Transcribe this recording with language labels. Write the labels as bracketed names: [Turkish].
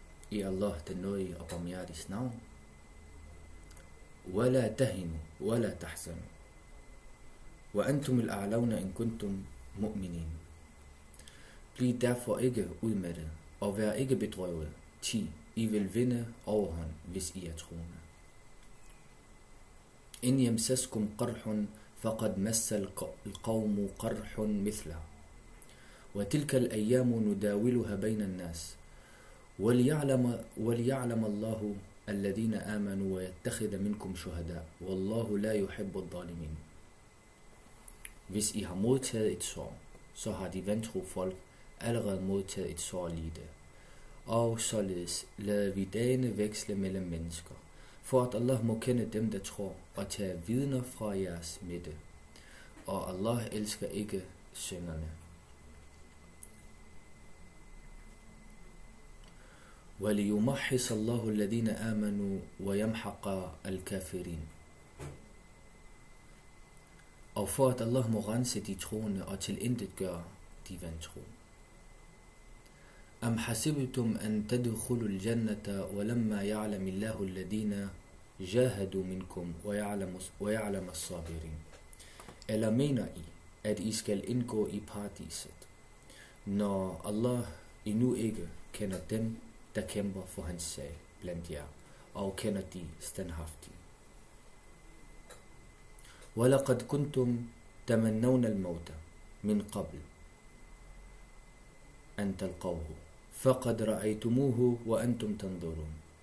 [Danish] I Allah den nøje og barmhjertige navn. [Arabic] ولا تهنوا ولا تحزنوا وأنتم الأعلون إن كنتم مؤمنين. [Danish] Bliv derfor ikke udmattet, og vær ikke bedrøvet. 10. I vil vinde overhånd, hvis I er troende. [Arabic] إن يمسسكم قرح فقد مس القوم قرح مثله وتلك الأيام نداولها بين الناس وليعلم الله الذين آمنوا ويتخذ منكم شهداء والله لا يحب الظالمين. [Danish] Hvis I har modtaget et sår, så har de vantro folk allerede modtaget et sår lige det. Og således lader vi dagene veksle mellem mennesker, for at Allah må kende dem, der tror, og tage vidner fra jeres midte. Og Allah elsker ikke synderne. [Arabic] وليمحص الله الذين آمنوا ويمحق الكافرين. [Danish] Og for at Allah må rense de troende og tilintetgøre de vantro. [Arabic] أم حسبتم أن تدخلوا الجنة ولما يعلم الله الذين جاهدوا منكم ويعلم الصابرين. [Danish] Eller mener I, at I skal indgå i paradiset, når Allah endnu ikke kender dem, der kæmper for hans sag blandt jer, og kender de standhaftige. [Arabic] وَلَقَدْ كُنْتُمْ تَمَنَّوْنَ الْمَوْتَ مِنْ قَبْلِ أَنْ تَلْقَوْهُ فَقَدْ رَأَيْتُمُوهُ وَأَنْتُمْ تَنْظُرُونَ.